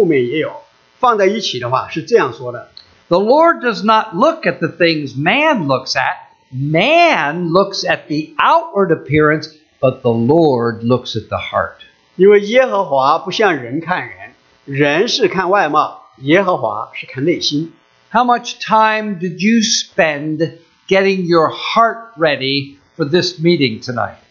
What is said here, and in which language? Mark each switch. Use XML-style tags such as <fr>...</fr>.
<zh>那么撒母耳记上16章第7节里头，除了我们读的这个以外，它前面还有，后面也有，放在一起的话是这样说的。</zh> <en>The Lord does not look at the things man looks at. Man looks at the outward appearance, but the Lord looks at the heart.</en> <zh>因为耶和华不像人看人，人是看外貌。</zh> <en>How much time did you spend getting your heart ready for this meeting tonight?</en>